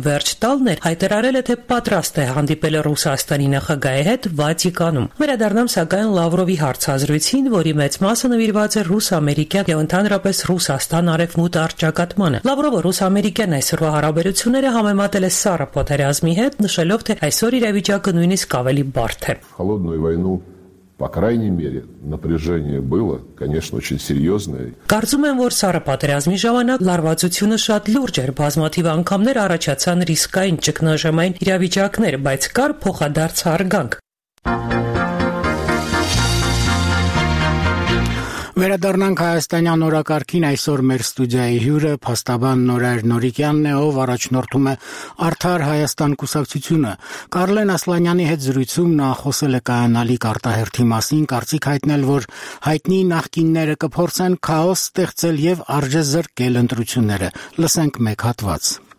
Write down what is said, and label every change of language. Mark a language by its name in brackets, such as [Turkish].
[Armenian] վերջ տալն էր, հայտարարել է, թե պատրաստ է հանդիպել Ռուսաստանի նախագահի հետ Վատիկանում։ Վերադառնամ սակայն Լավրովի հարցազրույցին, որի մեծ մասը նվիրված է ռուս-ամերիկյան և ընդհանրապես ռուս-աստան արևմուտ արճակատմանը։ Լավրովը ռուս-ամերիկյան այսօրվա հարաբերությունները համեմատել է սառը պատերազմի հետ, նշելով, թե այսօր իրավիճակը նույնիսկ ավելի [Russian] холодную войну, по крайней мере, напряжение было, конечно, очень серьезное. [Armenian] Կարծում եմ, որ սառը պատերազմի ժամանակ լարվածությունը շատ լուրջ էր, բազմաթիվ անգամներ առաջացան ռիսկային ճգնաժամային իրավիճակներ, բայց կար փոխադարձ հարգանք։ Վերադառնանք Հայաստանյան օրակարգին, այսօր մեր ստուդիայի հյուրը փաստաբան Նորայր Նորիկյանն է, ով առաջնորդում է Արդար Հայաստան կուսակցությունը։ Կարլեն Ասլանյանի հետ զրույցում նա խոսել է կայանալիք արտահերթի մասին, կարծիք հայտնել, որ հայտնի նախկինները կփորձեն քաոս ստեղծել և արժե զրկել ընտրությունները։ Լսենք մեկ հատված։